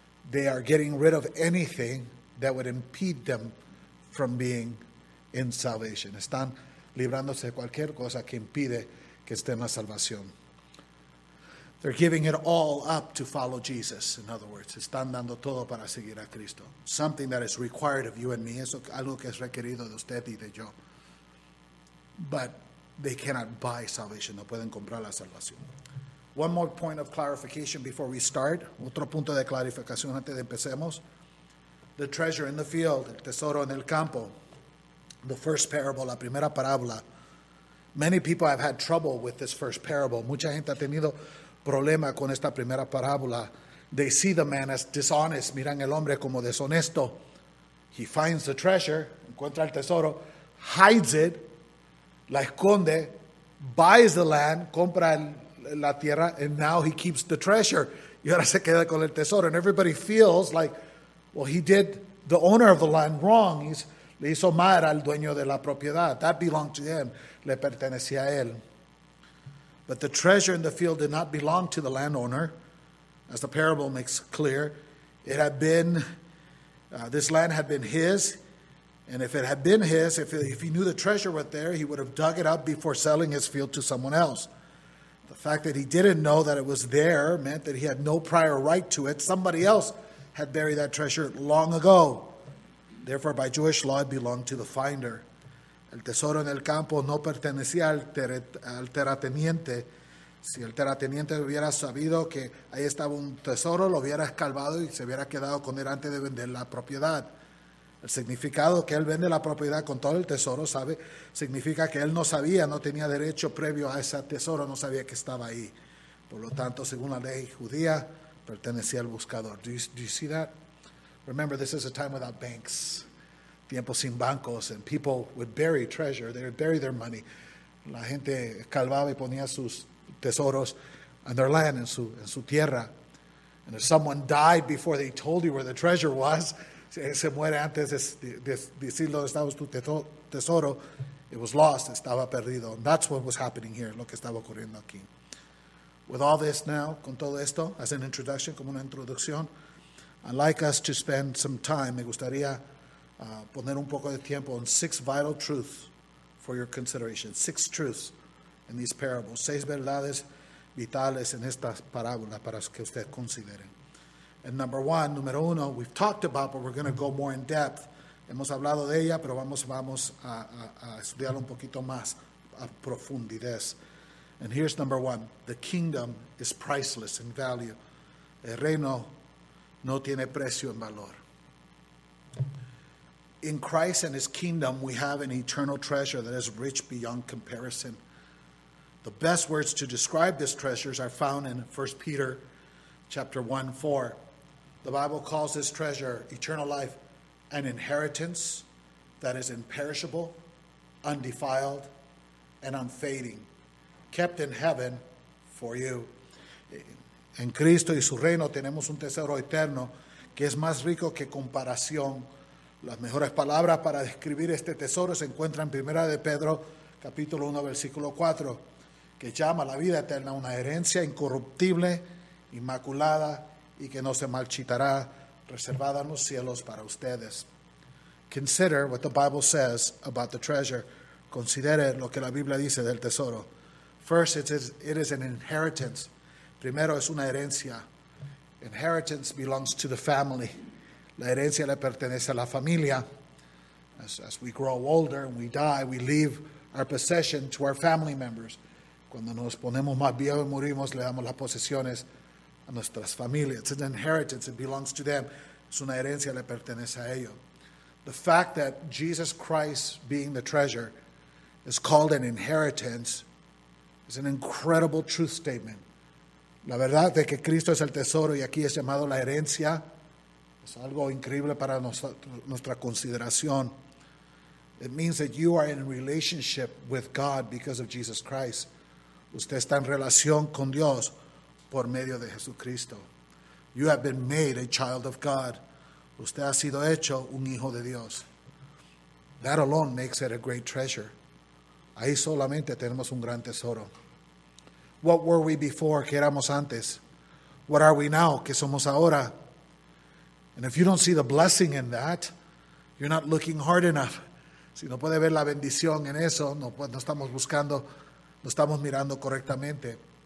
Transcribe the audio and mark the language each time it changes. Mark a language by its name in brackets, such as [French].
[English] They are getting rid of anything that would impede them from being in salvation. [Spanish] Están librándose de cualquier cosa que impide que estén en la salvación. [English] They're giving it all up to follow Jesus, in other words. [Spanish] Están dando todo para seguir a Cristo. [English] Something that is required of you and me. [Spanish] Eso, algo que es requerido de usted y de yo. [English] But they cannot buy salvation. [Spanish] No pueden comprar la salvación. [English] One more point of clarification before we start. [Spanish] Otro punto de clarificación antes de empecemos. [English] The treasure in the field, [Spanish] el tesoro en el campo. [English] The first parable, [Spanish] la primera parábola. [English] Many people have had trouble with this first parable. [Spanish] Mucha gente ha tenido problema con esta primera parábola. [English] They see the man as dishonest. [Spanish] Miran el hombre como deshonesto. [English] He finds the treasure, [Spanish] encuentra el tesoro, [English] hides it, [Spanish] la esconde, [English] buys the land, [Spanish] compra la tierra, [English] and now he keeps the treasure. [Spanish] Y ahora se queda con el tesoro. [English] And everybody feels like, well, he did the owner of the land wrong. [Spanish] Le hizo mal al dueño de la propiedad. [English] That belonged to him. [Spanish] Le pertenecía a él. [English] But the treasure in the field did not belong to the landowner, as the parable makes clear. It had been, this land had been his, and if it had been his, if he knew the treasure was there, he would have dug it up before selling his field to someone else. The fact that he didn't know that it was there meant that he had no prior right to it. Somebody else had buried that treasure long ago. Therefore, by Jewish law, it belonged to the finder. [Spanish] El tesoro en el campo no pertenecía al terrateniente. Si el terrateniente hubiera sabido que ahí estaba un tesoro, lo hubiera escarbado y se hubiera quedado con él antes de vender la propiedad. El significado que él vende la propiedad con todo el tesoro, ¿sabe? Significa que él no sabía, no tenía derecho previo a ese tesoro, no sabía que estaba ahí. Por lo tanto, según la ley judía, pertenecía al buscador. [English] Do you see that? Remember, this is a time without banks. Tiempos sin bancos, and people would bury treasure. They would bury their money. [Spanish] La gente calvaba y ponía sus tesoros [English] and their land [Spanish] en su tierra. [English] And if someone died before they told you where the treasure was, [Spanish] se muere antes de decir dónde estaba tu tesoro, [English] it was lost, [Spanish] estaba perdido. [English] And that's what was happening here, [Spanish] lo que estaba ocurriendo aquí. [English] With all this now, [Spanish] con todo esto, [English] as an introduction, [Spanish] como una introducción, [English] I'd like us to spend some time, [Spanish] me gustaría poner un poco de tiempo en [English] 6 vital truths for your consideration. 6 truths in these parables. [Spanish] 6 verdades vitales en estas parábolas para que ustedes consideren. [English] And number one, [Spanish] número uno, [English] we've talked about, but we're going to go more in depth. [Spanish] Hemos hablado de ella, pero vamos a estudiar un poquito más a profundidad. [English] And here's number one. The kingdom is priceless in value. [Spanish] El reino no tiene precio en valor. [English] In Christ and his kingdom, we have an eternal treasure that is rich beyond comparison. The best words to describe this treasure are found in 1 Peter chapter 1, 4. The Bible calls this treasure eternal life, an inheritance that is imperishable, undefiled, and unfading, kept in heaven for you. [Spanish] En Cristo y su reino tenemos un tesoro eterno que es más rico que comparación. Las mejores palabras para describir este tesoro se encuentran en 1 de Pedro, capítulo 1, versículo 4, que llama la vida eterna una herencia incorruptible, inmaculada y que no se marchitará, reservada en los cielos para ustedes. [English] Consider what the Bible says about the treasure. [Spanish] Considere lo que la Biblia dice del tesoro. [English] First, it is an inheritance. [Spanish] Primero, es una herencia. [English] Inheritance belongs to the family. [Spanish] La herencia le pertenece a la familia. [English] As we grow older and we die, we leave our possession to our family members. [Spanish] Cuando nos ponemos más viejos y morimos, le damos las posesiones a nuestras familias. [English] It's an inheritance. It belongs to them. [Spanish] Es una herencia, le pertenece a ellos. [English] The fact that Jesus Christ being the treasure is called an inheritance is an incredible truth statement. [Spanish] La verdad de que Cristo es el tesoro y aquí es llamado la herencia es algo increíble para nuestra consideración. [English] It means that you are in relationship with God because of Jesus Christ. [Spanish] Usted está en relación con Dios por medio de Jesucristo. [English] You have been made a child of God. [Spanish] Usted ha sido hecho un hijo de Dios. [English] That alone makes it a great treasure. [Spanish] Ahí solamente tenemos un gran tesoro. [English] What were we before? [Spanish] ¿Qué éramos antes? [English] What are we now? [Spanish] ¿Qué somos ahora? [English] And if you don't see the blessing in that, you're not looking hard enough. [Spanish] Si no puede ver la bendición en eso, no estamos buscando, no estamos mirando correctamente.